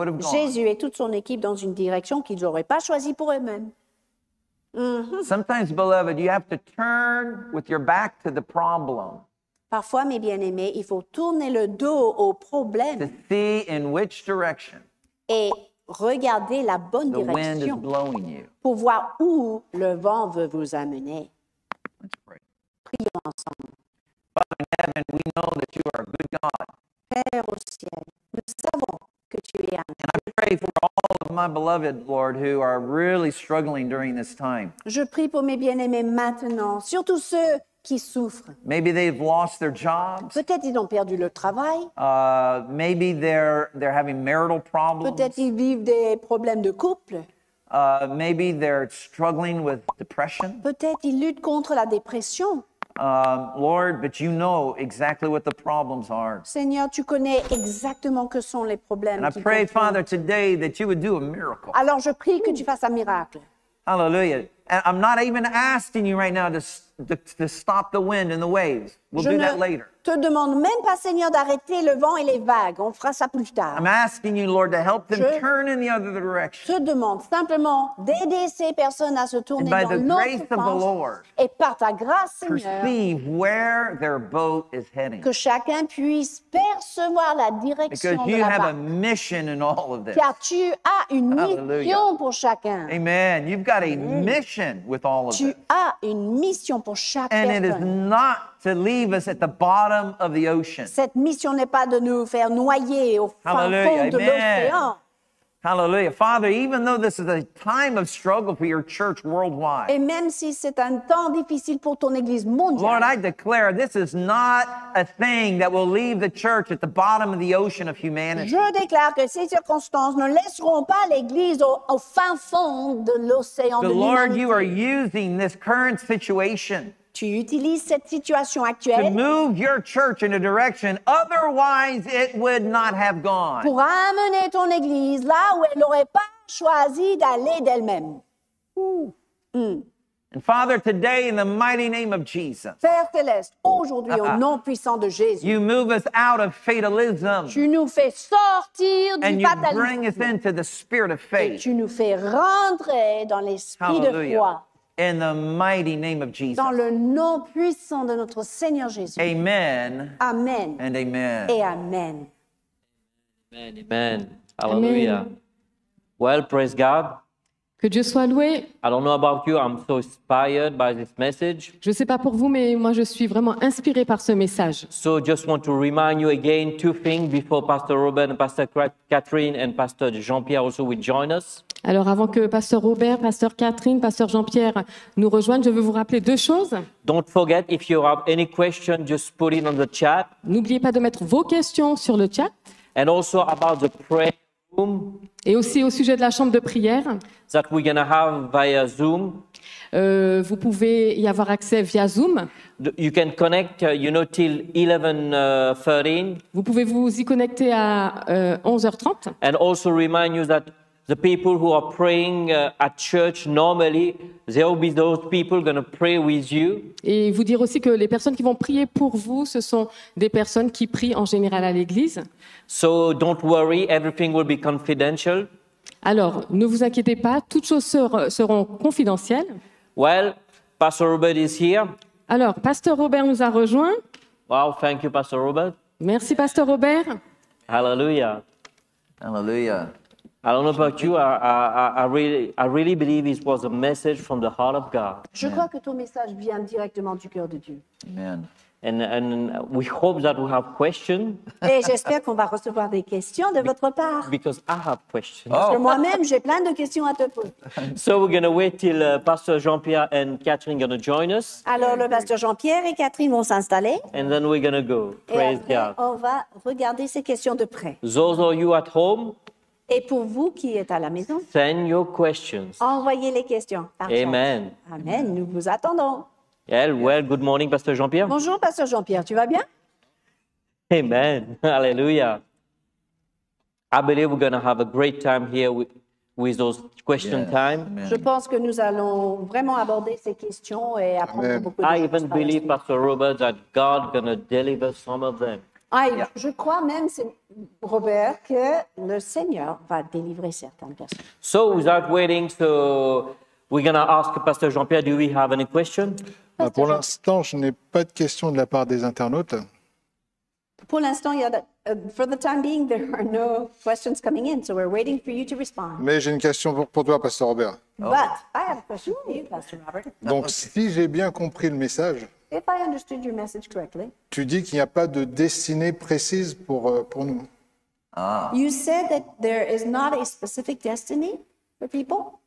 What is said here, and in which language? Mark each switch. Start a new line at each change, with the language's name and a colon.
French: Jésus et toute son équipe dans une direction qu'ils n'auraient pas choisie pour eux-mêmes. Mm-hmm.
English: Sometimes, beloved, you have to turn with your back to the problem.
French: Parfois, mes bien-aimés, il faut tourner le dos au problème.
English: To see in which direction.
French: Et regarder la bonne
English: the
French: direction.
English: The wind is blowing you.
French: Pour voir où le vent veut vous amener.
English: Let's pray.
French: Prions ensemble.
English: Father in heaven, we know that you are a good God.
French: Père au ciel, nous savons que tu es un.
English: And I pray for all of my beloved, Lord, who are really struggling during this time.
French: Je prie pour mes bien-aimés maintenant, surtout ceux qui souffrent.
English: Maybe they've lost their jobs.
French: Peut-être ils ont perdu leur travail.
English: Maybe they're having marital problems.
French: Peut-être ils vivent des problèmes de couple.
English: Maybe they're struggling with depression.
French: Peut-être ils luttent contre la dépression.
English: Lord, but you know exactly what the problems are.
French: Seigneur, tu connais exactement que sont les problèmes.
English: And I pray, Father, today that you would do a miracle.
French: Alors je prie que tu fasses un miracle. Hallelujah.
English: And I'm not even asking you right now to stop the wind and the waves. We'll
French: je
English: do that later.
French: Je ne te demande même pas, Seigneur, d'arrêter le vent et les vagues. On fera ça plus tard.
English: I'm asking you, Lord, to help them turn in the other direction.
French: Je te demande simplement d'aider ces personnes à se tourner dans l'autre sens.
English: By the grace of the Lord,
French: et par ta grâce, Seigneur,
English: perceive where their boat is heading.
French: Que chacun puisse percevoir la direction
English: because
French: de
English: you
French: la
English: have
French: barque.
English: A mission in all of this.
French: Car tu as une mission pour chacun.
English: Amen. You've got a mission with all of
French: tu
English: this.
French: Tu as une mission pour chaque
English: and
French: personne.
English: And it is not to leave us at the bottom of the ocean.
French: Cette mission n'est pas de nous faire noyer au Hallelujah. Fond de Amen. L'océan. Hallelujah.
English: Father, even though this is a time of struggle for your church worldwide.
French: Et même si c'est un temps difficile pour ton église mondiale.
English: Lord, I declare this is not a thing that will leave the church at the bottom of the ocean of humanity.
French: Je déclare que ces circonstances ne laisseront pas l'église au fin fond de l'océan de l'humanité.
English: Lord, you are using this current situation.
French: Tu utilises cette situation actuelle
English: to move your church in a direction otherwise it would not have gone.
French: Pour amener ton église là où elle n'aurait pas choisi d'aller d'elle-même.
English: And Father, today in the mighty name of Jesus.
French: Père Céleste, aujourd'hui au nom puissant de Jésus.
English: You move us out of fatalism.
French: Tu nous fais sortir du fatalisme.
English: And you bring us into the spirit of faith.
French: Et tu nous fais rentrer dans l'esprit de foi.
English: In the mighty name of Jesus.
French: Dans le nom puissant de notre Seigneur Jésus. Amen. Amen.
English: And amen.
French: Et amen.
English: Amen. Amen. Hallelujah. Amen. Well, praise God.
French: Que Dieu soit loué.
English: I don't know about you, I'm so inspired by this message.
French: Je sais pas pour vous, mais moi je suis vraiment inspiré par ce message.
English: So just want to remind you again two things before Pastor Robert and Pastor Kathryn and Pastor Jean-Pierre also will join us.
French: Alors avant que Pasteur Robert, Pasteur Kathryn, Pasteur Jean-Pierre nous rejoignent, je veux vous rappeler deux choses.
English: Don't forget if you have any question, just put it on the chat.
French: N'oubliez pas de mettre vos questions sur le chat.
English: And also about the prayer room.
French: Et aussi au sujet de la chambre de prière.
English: That we're gonna have via Zoom.
French: Vous pouvez y avoir accès via Zoom.
English: You can connect, you know, till 11:30.
French: Vous pouvez vous y connecter à 11h30.
English: And also remind you that the people who are praying at church normally, there will be those people going to pray with you.
French: Et vous dire aussi que les personnes qui vont prier pour vous, ce sont des personnes qui prient en général à l'église.
English: So don't worry, everything will be confidential.
French: Alors, ne vous inquiétez pas, toutes choses seront confidentielles.
English: Well, Pastor Robert is here.
French: Alors, Pasteur Robert nous a rejoint.
English: Wow, thank you, Pastor Robert.
French: Merci, Pasteur Robert. Hallelujah. Hallelujah.
English: I don't know about you. I really believe it was a message from the heart of God.
French: Je crois que ton message vient directement du cœur de Dieu. Amen.
English: And we hope that we have questions.
French: Et j'espère qu'on va recevoir des questions de votre part.
English: Because I have questions. Oh.
French: Parce que moi-même, j'ai plein de questions à te poser.
English: So we're going to wait till Pastor Jean-Pierre and Kathryn are going to join us.
French: Alors le Pasteur Jean-Pierre et Kathryn vont s'installer.
English: And then we're going to go. Praise
French: et après,
English: God.
French: On va regarder ces questions de près.
English: Those of you at home.
French: Et pour vous qui êtes à la maison,
English: send your questions.
French: Envoyez les questions. Parfait. Amen. Amen. Nous vous attendons.
English: Well, well, good morning, Pasteur Jean-Pierre.
French: Bonjour, Pasteur Jean-Pierre. Tu vas bien?
English: Amen. Hallelujah. I believe we're going to have a great time here with those question yes. time. Amen.
French: Je pense que nous allons vraiment aborder ces questions et apprendre Amen. Beaucoup de
English: I even believe, Pastor Robert, that God is going to deliver some of them.
French: Je crois même, Robert, que le Seigneur va délivrer certaines personnes.
English: So, without waiting, so we're going to ask Pastor Jean-Pierre, do we have any questions?
French: Pour l'instant, je n'ai pas de questions de la part des internautes. Pour l'instant,
English: for the time being, there are no questions coming in, so we're waiting for you to respond.
French: Mais j'ai une question pour toi, Pasteur Robert.
English: But I have a question for you, Pasteur Robert.
French: Donc, si j'ai bien compris le message,
English: If I understood your message correctly,
French: tu dis qu'il n'y a pas de destinée précise pour nous.
English: You said that there is not a specific destiny for people?